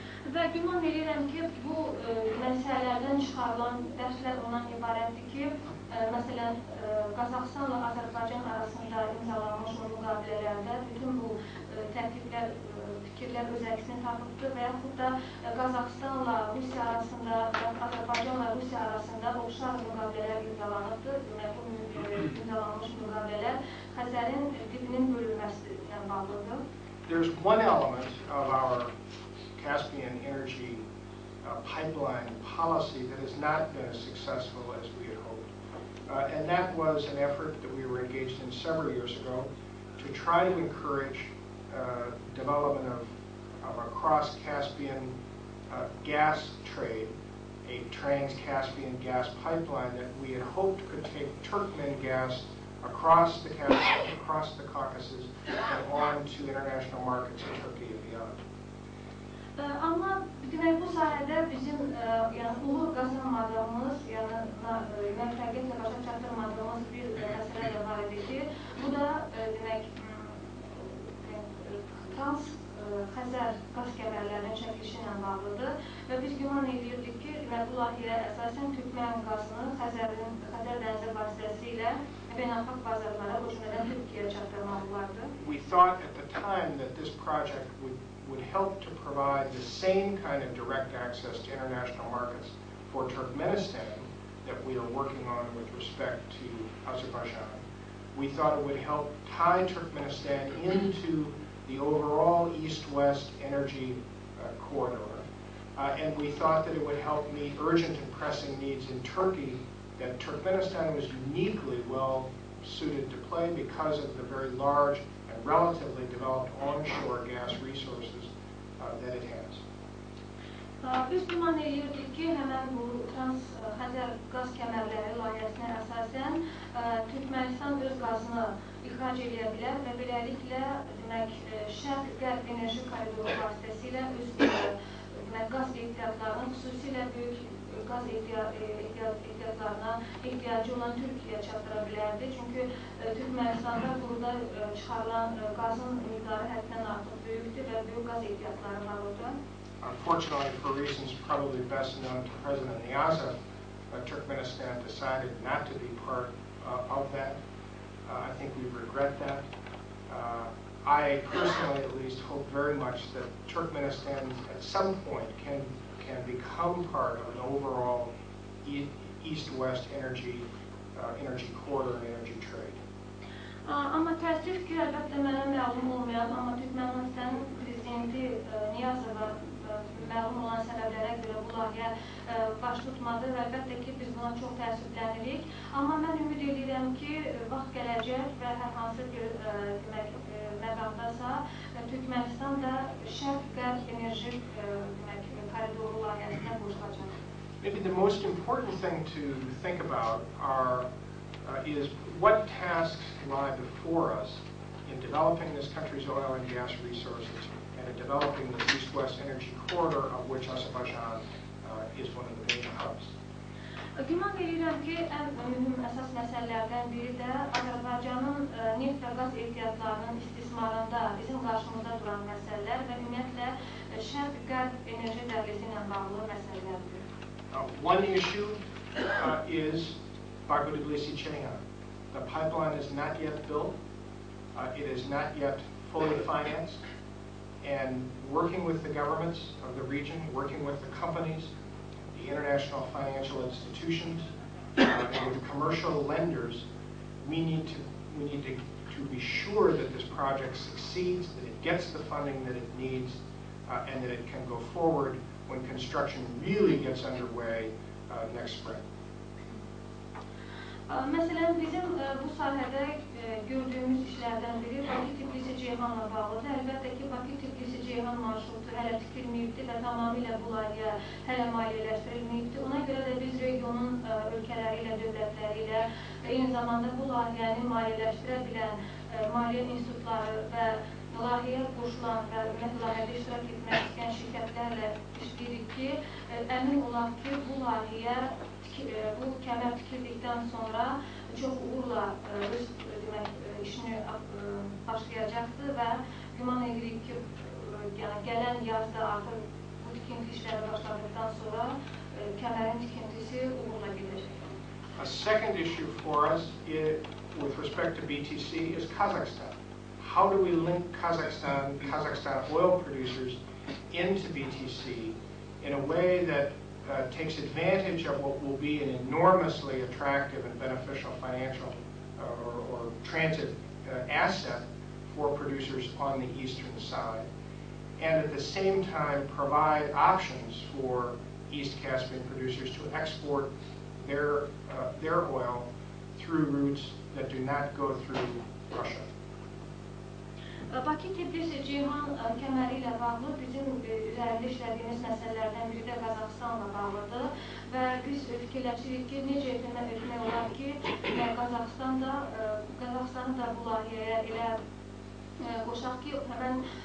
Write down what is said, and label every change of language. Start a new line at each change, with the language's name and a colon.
Azerbaijani: Və güman edirəm ki, bu məsələlərdən çıxarılan dərslər ondan ibarətdir ki, məsələn, Qazaxstanla Azərbaycan arasında imzalanmış o müqavilələrdə bütün bu tərkiblər, fikirlər öz əksini tapıbdır və yaxud da Qazaxstanla Rusiya arasında, Azərbaycanla Rusiya arasında oxşar müqavilələr imzalanıbdır. Demək, bu imzalanmış müqavilələr Xəzərin dibinin bölünməsi ilə bağlıdır.
English: There's one element of our Caspian energy pipeline policy that has not been as successful as we had hoped. And that was an effort that we were engaged in several years ago to try to encourage development of a cross-Caspian gas trade, a trans-Caspian gas pipeline that we had hoped could take Turkmen gas across the Caspian, across the Caucasus, and on to international markets in Turkey and beyond.
Azerbaijani: Amma demək bu sahədə bizim yəni uğur qazanmadığımız, yəni müvəffəqiyyətlə başa çatdırmadığımız bir məsələ də var idi ki, bu da demək trans Xəzər qaz kəmərlərinin çəkilişi ilə bağlıdır və biz güman edirdik ki, demək bu layihə əsasən Türkmən qazını Xəzər dənizi vasitəsilə beynəlxalq bazarlara, o cümlədən Türkiyəyə çatdırmaq olardı.
English: We thought at the time that this project would help to provide the same kind of direct access to international markets for Turkmenistan that we are working on with respect to Azerbaijan. We thought it would help tie Turkmenistan into the overall east-west energy corridor. And we thought that it would help meet urgent and pressing needs in Turkey that Turkmenistan was uniquely well suited to play because of the very large and relatively developed onshore gas resources that it has.
Azerbaijani: Biz güman edirdik ki, həmən bu trans Xəzər qaz kəmərləri layihəsinə əsasən Türkmenistan öz qazını ixrac edə bilər və beləliklə demək şərq-qərb enerji koridoru vasitəsilə öz demək qaz ehtiyatlarının xüsusilə böyük qaz ehtiyatlarına ehtiyacı olan Türkiyəyə çatdıra bilərdi. Çünki Türkmenistanda burada çıxarılan qazın miqdarı həddindən artıq böyükdür və böyük qaz ehtiyatları var orada.
English: Unfortunately, for reasons probably best known to President Niyazi, Turkmenistan decided not to be part of that. I think we regret that. I personally, at least, hope very much that Turkmenistan at some point can become part of an overall east-west energy corridor and energy trade.
Azerbaijani: Amma təəssüf ki, əlbəttə mənə məlum olmayan, amma Türkmenistan prezidenti Niyazova məlum olan səbəblərə görə bu layihə baş tutmadı və əlbəttə ki, biz buna çox təəssüflənirik. Amma mən ümid edirəm ki, vaxt gələcək və hər hansı bir məqamdasa, Türkmenistan da şərq-qərb enerji koridoru layihəsinə qoşulacaq.
English: Maybe the most important thing to think about is what tasks lie before us in developing this country's oil and gas resources and in developing the east-west energy corridor of which Azerbaijan is one of the major hubs.
Azerbaijani: Güman edirəm ki, ən mühüm əsas məsələlərdən biri də Azərbaycanın neft və qaz ehtiyatlarının istismarında bizim qarşımızda duran məsələlər və ümumiyyətlə şərq-qərb enerji dəhlizi ilə bağlı məsələlərdir.
English: One issue is Baku-Tbilisi-Ceyhan. The pipeline is not yet built, it is not yet fully financed, and working with the governments of the region, working with the companies, the international financial institutions, and the commercial lenders, we need to be sure that this project succeeds, that it gets the funding that it needs, and that it can go forward when construction really gets underway next spring.
Azerbaijani: Məsələn, bizim bu sahədə gördüyümüz işlərdən biri Baku-Tbilisi Ceyhanla bağlıdır. Əlbəttə ki, Bakı Tirkisi Ceyhan marşrutu hələ tikilməyibdir və tamamilə bu layihə hələ maliyyələşdirilməyibdir. Ona görə də biz regionun ölkələri ilə, dövlətləri ilə eyni zamanda bu layihəni maliyyələşdirə bilən maliyyə institutları və layihəyə qoşulan və ümumiyyətlə layihədə iştirak etmək istəyən şirkətlərlə işləyirik ki, əmin olaq ki, bu layihəyə bu kəmər tikildikdən sonra çox uğurla öz demək işini başlayacaqdı və güman edirik ki, yəni gələn yazda artıq bu tikinti işləri başladıqdan sonra kəmərin tikintisi uğurla gedəcək.
English: A second issue for us with respect to BTC is Kazakhstan. How do we link Kazakhstan, Kazakhstan oil producers into BTC in a way that takes advantage of what will be an enormously attractive and beneficial financial or transit asset for producers on the eastern side, and at the same time provide options for East Caspian producers to export their oil through routes that do not go through Russia?
Azerbaijani: Bakı-Tbilisi-Ceyhan kəməri ilə bağlı bizim üzərində işlədiyimiz məsələlərdən biri də Qazaxıstanla bağlıdır və biz fikirləşirik ki, necə etmək olar ki, Qazaxıstan da bu layihəyə elə qoşaq ki, həmən